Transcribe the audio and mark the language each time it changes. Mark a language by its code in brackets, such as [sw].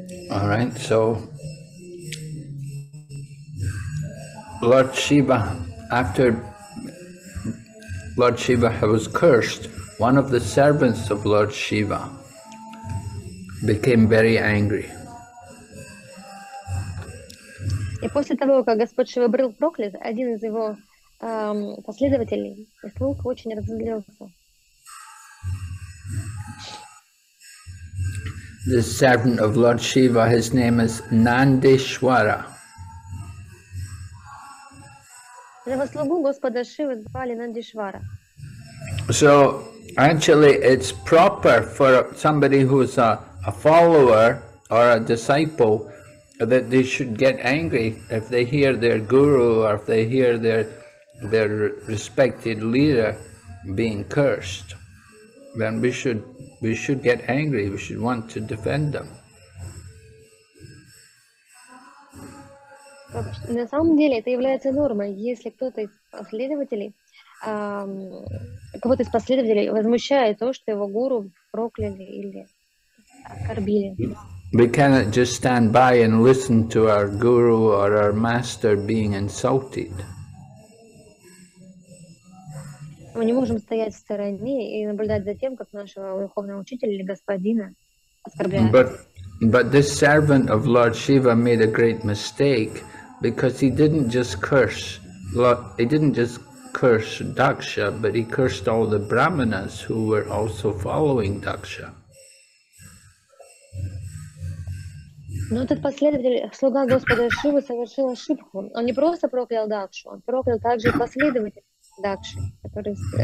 [en] All right, so Lord Shiva, after Lord Shiva was cursed, one of the servants of Lord Shiva became very angry. [ru] И после того, как Господь Шива был проклят, один из его последователей, слуг, очень разозлился. [en] The servant of Lord Shiva, his name is Nandishwara. [ru] Его слугу Господа Шивы звали Нандишвара. [en] So, actually, it's proper for somebody who's a follower or a disciple that they should get angry if they hear their guru or if they hear their respected leader being cursed. Then we should get angry. We should want to defend them. [ru] На самом деле это является нормой, если кто-то из последователей, кого-то из последователей возмущает то, что его гуру прокляли или оскорбили. [en] We cannot just stand by and listen to our guru or our master being insulted. [ru] Мы не можем стоять в стороне и наблюдать за тем, как нашего духовного учителя или господина оскорбляют. [en] But this servant of Lord Shiva made a great mistake because he didn't just curse Daksha, but he cursed all the brahmanas who were also following Daksha. [ru] Но этот последователь, слуга Господа Шивы, совершил ошибку. Он не просто проклял Дакшу, он проклял также и последователей Дакши, которые...